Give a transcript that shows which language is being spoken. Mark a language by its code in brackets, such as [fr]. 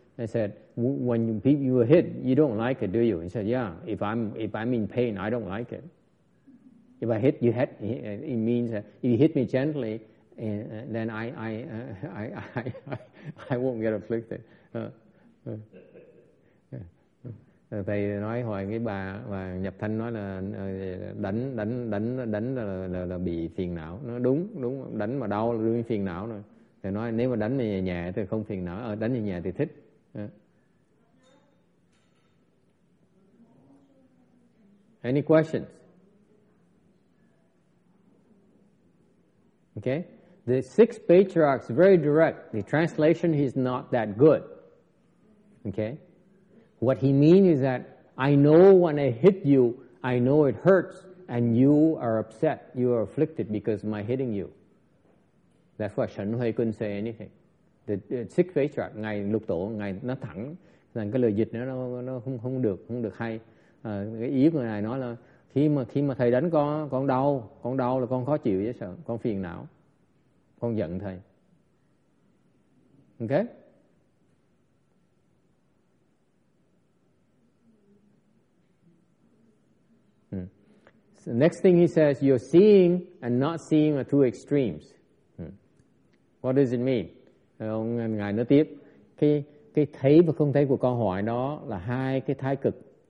[en] I said, when you were hit, you don't like it, do you? He said, yeah, if I'm in pain, I don't like it. If I hit you, it means that if you hit me gently, then I won't get afflicted. [vi] Thầy nói hồi cái bà và nhập thanh nói là đánh là bị phiền não. Nó đúng, đánh mà đau là đương phiền não rồi. Thầy nói nếu mà đánh nhẹ nhẹ thì không phiền não, đánh nhẹ nhẹ thì thích. [en] Any questions? Okay. The six patriarchs are very direct. The translation is not that good. Okay. What he means is that I know when I hit you, I know it hurts and you are upset, you are afflicted because of my hitting you. That's why Shen Hui couldn't say anything. The six patriarch, [vi] ngài lục tổ, ngài nó thẳng, rằng cái lời dịch nó không được hay. Cái ý của ngài nói là khi mà thầy đánh con đau là con khó chịu chứ sợ, con phiền não, con giận thầy. [en] Okay? So next thing he says, you're seeing and not seeing are two extremes. What does it mean? [vi] Ông ngài nói tiếp, cái thấy và không thấy của câu hỏi đó là hai cái thái cực.